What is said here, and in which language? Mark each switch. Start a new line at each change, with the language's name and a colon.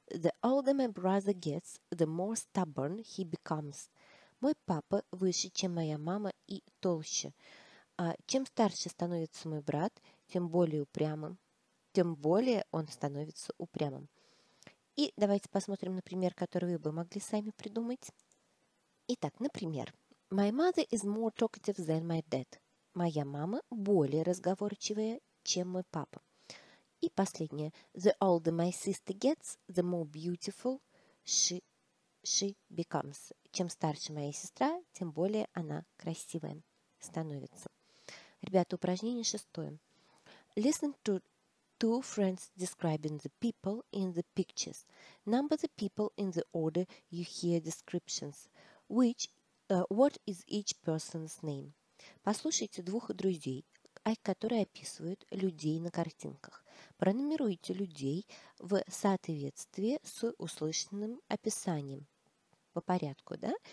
English: The older my brother gets, the more stubborn he becomes.
Russian: Мой папа выше, чем моя мама, и толще. Чем старше становится мой брат, тем более упрямым. Тем более он становится упрямым. И давайте посмотрим на пример, который вы бы могли сами придумать. Итак, например.
English: My mother is more talkative than my dad.
Russian: Моя мама более разговорчивая, чем мой папа. И последнее.
English: The older my sister gets, the more beautiful she becomes.
Russian: Чем старше моя сестра, тем более она красивая становится. Ребята, упражнение шестое.
English: Listen to two friends describing the people in the pictures. Number the people in the order you hear descriptions. What is each person's name?
Russian: Послушайте двух друзей, которые описывают людей на картинках. Пронумеруйте людей в соответствии с услышанным описанием. По порядку, да?